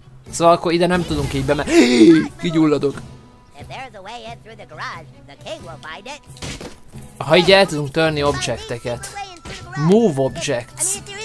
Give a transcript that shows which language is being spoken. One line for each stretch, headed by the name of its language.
Hungarian: Szóval akkor ide nem tudunk így bemenni. Kigyulladok.
English: If there's a way in through the garage, the king will find it.
Hungarian: Ha így el tudunk törni objekteket.
English: Move objects.